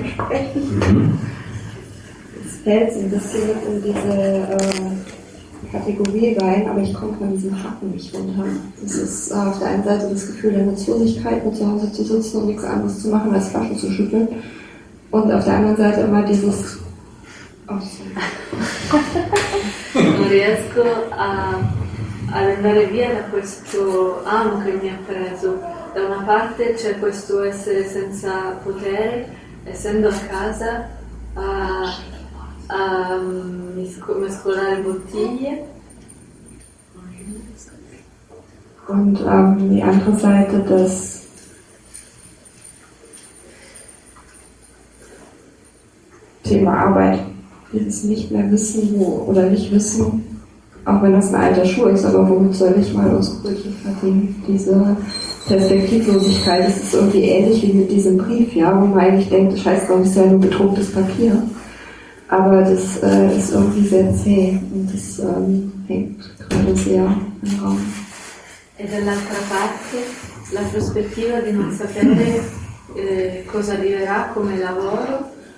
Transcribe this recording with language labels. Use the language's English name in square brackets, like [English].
[German] Es fällt so ein bisschen in diese Kategorie rein, aber ich komme von diesem Haken nicht runter. Es ist auf der einen Seite das Gefühl der Nutzlosigkeit, mit zu Hause zu sitzen und nichts anderes zu machen, als Flaschen zu schütteln. Und auf der anderen Seite immer dieses... Oh, sorry. [Italian] Riesco a andare via da questo amo che mi ha preso. Da una parte c'è questo essere senza potere, essendo a casa, a mescolare bottiglie. [German] Und die andere Seite, das... Thema Arbeit. Jetzt nicht mehr wissen, wo, oder nicht wissen, auch wenn das ein alter Schuh ist, aber womit soll ich mal aus Brötchen verdienen? Diese Perspektivlosigkeit, das ist irgendwie ähnlich wie mit diesem Brief, ja, wo man eigentlich denkt, scheiß drauf, ist ja nur bedrucktes Papier. Aber das ist irgendwie sehr zäh und das hängt gerade sehr im Raum. [Italian] E dall'altra parte, la prospettiva di non sapere cosa arriverà come lavoro.